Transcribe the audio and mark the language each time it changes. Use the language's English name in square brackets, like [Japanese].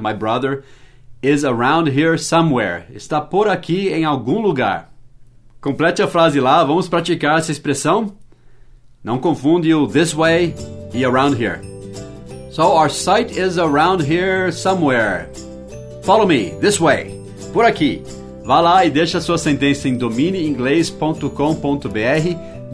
[English] My brother is around here somewhere. [Portuguese] Está por aqui em algum lugar. Complete a frase lá. Vamos praticar essa expressão. Não confunde o this way e around here. [English] So our site is around here somewhere. Follow me. This way. [Portuguese] Por aqui. Vá lá e deixa a sua sentença em domineinglês.com.br.